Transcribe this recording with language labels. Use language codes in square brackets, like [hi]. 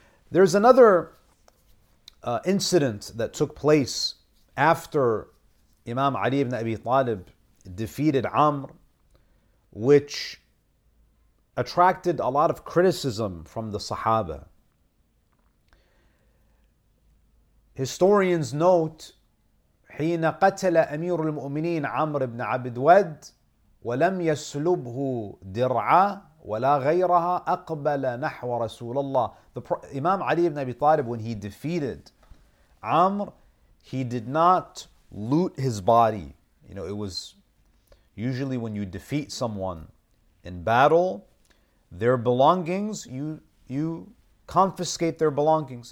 [en] There's another incident that took place after Imam Ali ibn Abi Talib defeated Amr, which attracted a lot of criticism from the Sahaba. Historians note, [ar] حين قتل أمير المؤمنين عمرو بن عبد ود ولم يسلبه درعا ولا غيرها أقبل نحو رسول الله. [en] Imam Ali ibn Abi Talib, when he defeated Amr, he did not loot his body. You know, it was usually when you defeat someone in battle, their belongings, you confiscate their belongings.